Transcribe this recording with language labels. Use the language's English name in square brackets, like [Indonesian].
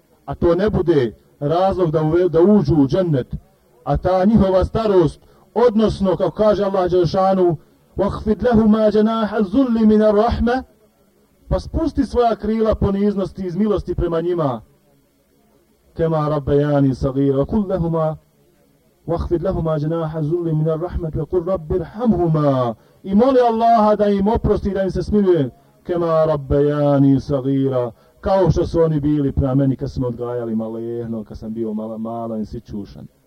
[Bosnian] A to ne bude razlog da uđu u džennet, a ta njihova starost, odnosno, kako kaže Allah Dželešanu, [Arabic] وَخْفِدْ لَهُمَا جَنَاحَ الزُّلِّ مِنَ الرَّحْمَ, [Bosnian] pa spusti svoja krila poniznosti iz milosti prema njima. [Arabic] كَمَا رَبَّيَانِ صَغِيرَ وَقُلْ لَهُمَا وَخْفِدْ لَهُمَا جَنَاحَ الزُّلِّ مِنَ الرَّحْمَةِ وَقُلْ رَبِّ ارْحَمْهُمَا, [Bosnian] i moli Allaha da im oprosti, da im se smiluje. [Arabic] كَمَا رَبَّيَانِ صَغِيرَ, [Bosnian] kao što su oni bili prema meni kad smo odgajali malehno, kad sam bio malan i sićušan.